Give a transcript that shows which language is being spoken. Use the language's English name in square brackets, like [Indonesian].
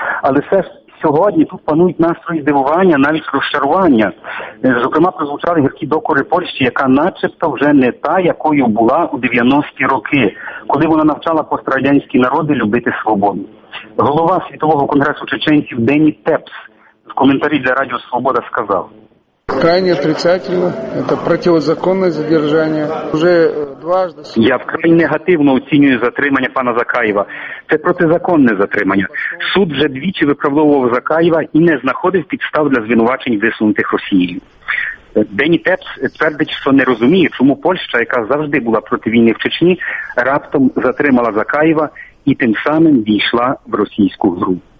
[Ukrainian] Але все сьогодні тут панують настрої здивування, навіть розчарування. Зокрема, прозвучали гіркі докори Польщі, яка начебто вже не та, якою була у 90-ті роки, коли вона навчала пострадянські народи любити свободу. Голова Світового конгресу чеченців Дені Тепс в коментарі для Радіо Свобода сказав: [Russian] крайне отрицательно, это противозаконное задержание. Уже дважды. [Ukrainian] Я вкрай негативно оцінюю затримання пана Закаєва. Це протизаконне затримання. Суд вже двічі виправдовував Закаєва і не знаходив підстав для звинувачень, висунутих Росією. Дені Тепс твердить, що не розуміє, чому Польща, яка завжди була проти війни в Чечні, раптом затримала Закаєва і тим самим війшла в російську гру.